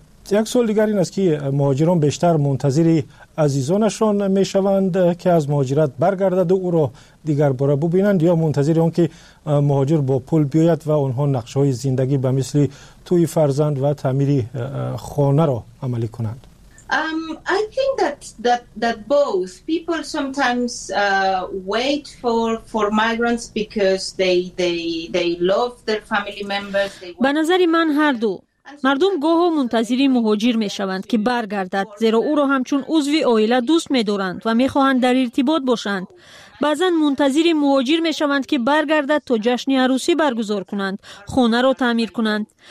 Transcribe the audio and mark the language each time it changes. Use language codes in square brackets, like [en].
[fa] یک سوال دیگر این است که مهاجران بیشتر منتظری عزیزانشان می شوند که از مهاجرت برگردد و او را دیگر بار ببینند، یا منتظری اون که مهاجر با پول بیاید و اونها نقشه های زندگی به مثل توی فرزند و تعمیری خانه را عملی کنند؟ [en] I think that both people sometimes wait for migrants because they love their family members. [fa] به نظر من هر دو مردم گاهو منتظری مهاجر می شوند که برگردد، زیرا او را همچون عضوی آیله دوست می دارند و می خواهند در ارتباط باشند. بعضن منتظری مهاجر می شوند که برگردد تا جشن عروسی برگزار کنند، خانه را تعمیر کنند.